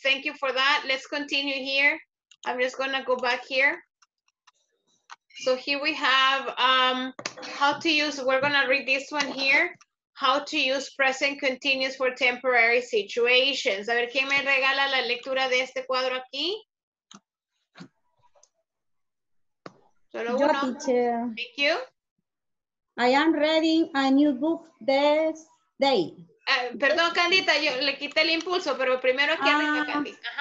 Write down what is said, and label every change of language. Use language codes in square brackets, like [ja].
[en] Thank you for that. Let's continue here. I'm just going to go back here. So here we have how to use, we're gonna read this one here. How to use present continuous for temporary situations. [es] A ver, ¿quién me regala la lectura de este cuadro aquí? Solo yo, uno. [en] Teacher. Thank you. I am reading a new book this day. [es] Perdón, Candita, yo le quité el impulso, pero primero aquí Candita.